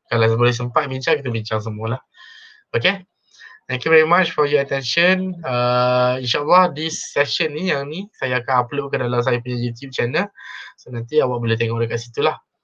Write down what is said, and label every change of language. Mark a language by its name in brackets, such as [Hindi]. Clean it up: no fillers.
[Malay] Kalau boleh sempat bincang, kita bincang semualah. [English] Okay. Thank you very much for your attention. [Malay] InsyaAllah [English] this session [Malay] ni, yang ni, saya akan upload ke dalam saya punya YouTube channel. So nanti awak boleh tengok dekat situ lah.